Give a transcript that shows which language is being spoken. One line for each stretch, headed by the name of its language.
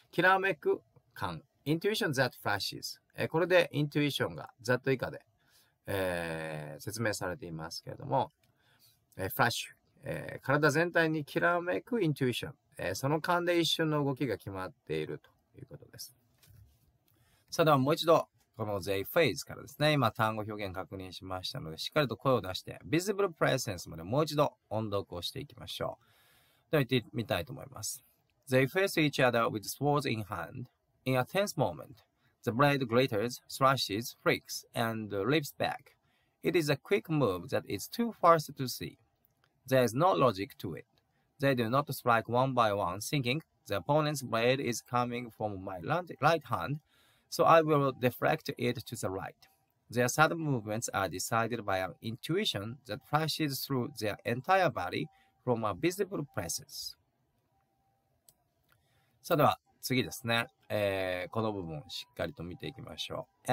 Japanese: きらめく感。
English: Intuition that flashes、
Japanese: これで Intuition が that 以下で、説明されていますけれども、Flash、体全体にきらめく Intuition、その間で一瞬の動きが決まっているということです。さあではもう一度この They phase からですね、今単語表現確認しましたので、しっかりと声を出して Visible presence までもう一度音読をしていきましょう。では行ってみたいと思います。
English: They face each other with swords in handIn a tense moment, the blade glitters, slashes, flicks, and leaps back. It is a quick move that is too fast to see. There is no logic to it. They do not strike one by one, thinking the opponent's blade is coming from my right hand, so I will deflect it to the right. Their sudden movements are decided by an intuition that flashes through their entire body from a visible presence.
Japanese: さあでは次ですね。この部分をしっかりと見ていきましょう。